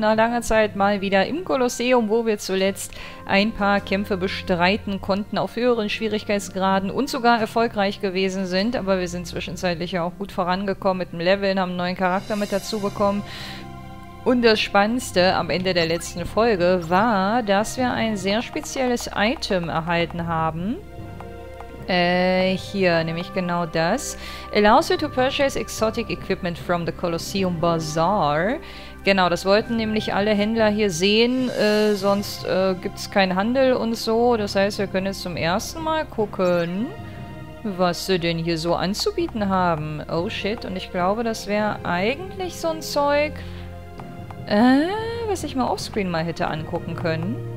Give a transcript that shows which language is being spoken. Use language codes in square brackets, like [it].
[de] Nach langer Zeit mal wieder im Kolosseum, wo wir zuletzt ein paar Kämpfe bestreiten konnten, auf höheren Schwierigkeitsgraden und sogar erfolgreich gewesen sind. Aber wir sind zwischenzeitlich ja auch gut vorangekommen mit dem Leveln, haben einen neuen Charakter mit dazu bekommen. Und das Spannendste am Ende der letzten Folge war, dass wir ein sehr spezielles Item erhalten haben. Hier, nämlich genau das. [en] Allows you to purchase exotic equipment from the Colosseum Bazaar. [de] Genau, das wollten nämlich alle Händler hier sehen, sonst gibt es keinen Handel und so. Das heißt, wir können jetzt zum ersten Mal gucken, was sie denn hier so anzubieten haben. Oh shit, und ich glaube, das wäre eigentlich so ein Zeug, was ich mal offscreen mal hätte angucken können.